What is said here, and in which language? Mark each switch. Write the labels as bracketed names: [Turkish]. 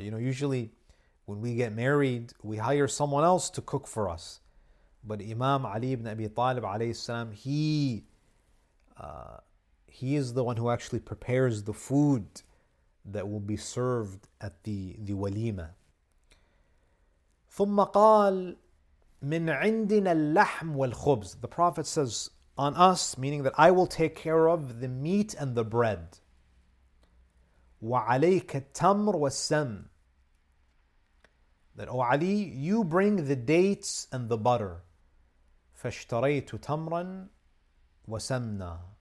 [English] You know, usually when we get married, we hire someone else to cook for us. But Imam Ali ibn Abi Talib alayhi salam, he is the one who actually prepares the food that will be served at the walima. [Arabic] ثم قال من عندنا اللحم والخبز. [English] The Prophet says, on us, meaning that I will take care of the meat and the bread. [Arabic] وعليك التمر والسم. [English] That, O Ali, you bring the dates and the butter. [Arabic] فاشتريت تمرا وسمنا.